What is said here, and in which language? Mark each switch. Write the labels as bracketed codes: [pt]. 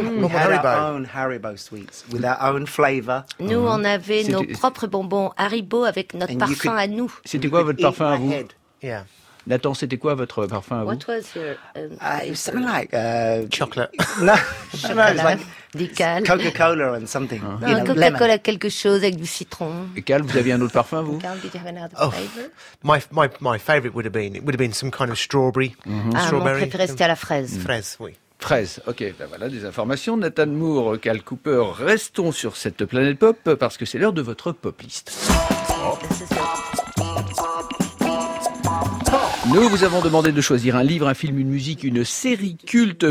[en] We had our own Haribo sweets with our own flavor. [fr] Nous, on avait nos propres bonbons Haribo avec notre parfum à nous. C'était quoi votre parfum à vous? Yeah. Nathan, c'était quoi votre parfum à vous? [en] What was your... It was something like... chocolate. No, chocolate. It was like Coca-Cola and something. You know, Coca-Cola, lemon. [fr] Quelque chose avec du citron. Et Cal, vous aviez un autre parfum, vous? [en] Cal, did you have another flavor? My favorite would have been, some kind of strawberry. [fr] Mm-hmm. [en] Strawberry. [fr] Mon préféré, c'était à la fraise. Fraise, oui. Fraise, ok, ben voilà des informations. Nathan Moore, Cal Cooper, restons sur cette planète pop, parce que c'est l'heure de votre pop-list. Nous vous avons demandé de choisir un livre, un film, une musique, une série culte.